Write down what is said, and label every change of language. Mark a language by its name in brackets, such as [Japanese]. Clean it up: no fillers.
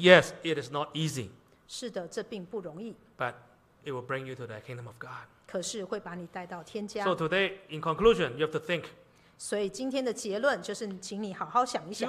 [English] Yes, it is not easy. [Chinese] 是的，这并不容易。 [English] But it will bring you to the kingdom of God. [Chinese] 可是会把你带到天家。 [English] So today, in conclusion, you have to think. [Chinese] 所以今天的结论就是，请你好好想一想。